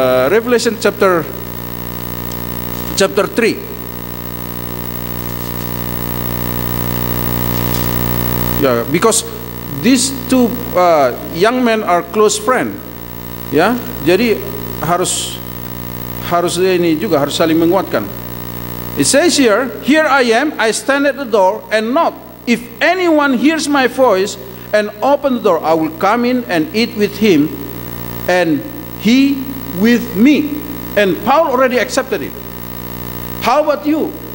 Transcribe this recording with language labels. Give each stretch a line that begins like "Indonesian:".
English: Revelation chapter 3. Yeah, because these two young men are close friend.
Indonesian: Yeah, jadi harus ini juga harus saling menguatkan.
English: It says here, "Here I am, I stand at the door and knock. If anyone hears my voice and open the door, I will come in and eat with him and he with me." And Paul already accepted it. How about you?